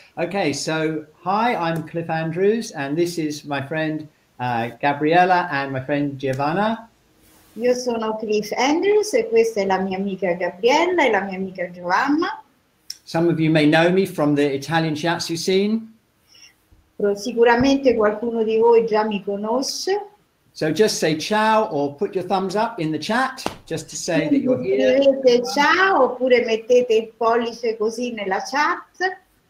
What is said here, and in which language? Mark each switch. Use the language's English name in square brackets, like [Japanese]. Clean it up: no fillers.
[English] Okay, so hi, I'm Cliff Andrews, and this is my friend Gabriella and my friend Giovanna. [Italian] Io sono Cliff Andrews e questa è la mia amica Gabriella e la mia amica Giovanna. [English] Some of you may know me from the Italian Shiatsu scene. [Italian] Sicuramente qualcuno di voi già mi conosce. [English] So just say ciao or put your thumbs up in the chat just to say that you're here. [Italian] Ciao, oppure mettete il pollice così nella chat.